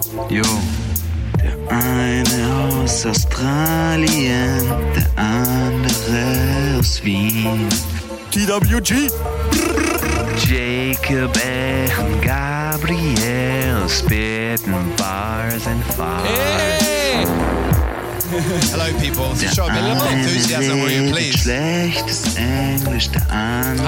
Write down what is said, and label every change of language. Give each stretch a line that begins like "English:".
English: Yo.
German: Der eine aus Australien, der andere aus Wien.
English: TWG. Jacob and Gabriel spitting bars and farts. Hey. Hello people, it's a show of a little enthusiasm, will you please?
German: Schlechtes Englisch, der andere.